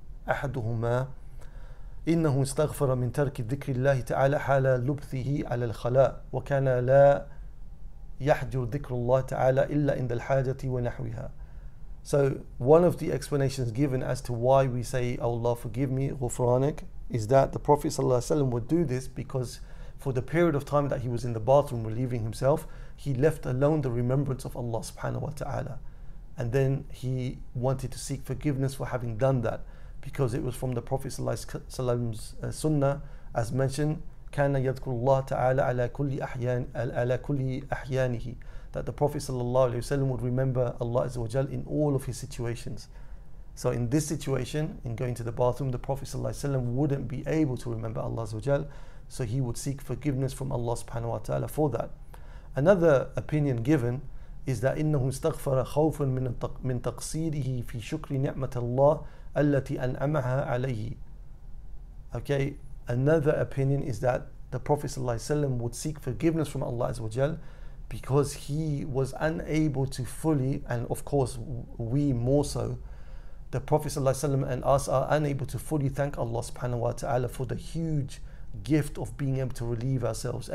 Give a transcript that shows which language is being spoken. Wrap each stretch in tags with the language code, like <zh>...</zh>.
<ar>أحدهما إنه استغفر من ترك ذكر الله تعالى حال لبثه على الخلاء وكان لا يحجر ذكر الله تعالى إلا عند الحاجة ونحوها.</ar> <en>So one of the explanations given as to why we say, oh Allah forgive me, غفرانك, is that the Prophet صلى الله عليه وسلم would do this because for the period of time that he was in the bathroom relieving himself, he left alone the remembrance of Allah subhanahu wa ta'ala. And then he wanted to seek forgiveness for having done that, because it was from the Prophet ﷺ's sunnah, as mentioned,</en> <ar>كان يذكر الله تعالى على كل أحيان على كل أحيانه,</ar> <en>that the Prophet ﷺ would remember Allah Azza wa Jal in all of his situations. So in this situation, in going to the bathroom, the Prophet ﷺ wouldn't be able to remember Allah Azza wa Jal, so he would seek forgiveness from Allah subhanahu wa ta'ala for that. Another opinion given is that</en> <ar>إنه استغفر خوفا من تقصيره في شكر نعمة الله التي أنعمها عليه.</ar> <en>Okay, another opinion is that the Prophet ﷺ would seek forgiveness from Allah Azza wa Jal because he was unable to fully, and of course we more so, the Prophet ﷺ and us are unable to fully thank Allah subhanahu wa ta'ala for the huge gift of being able to relieve ourselves.</en>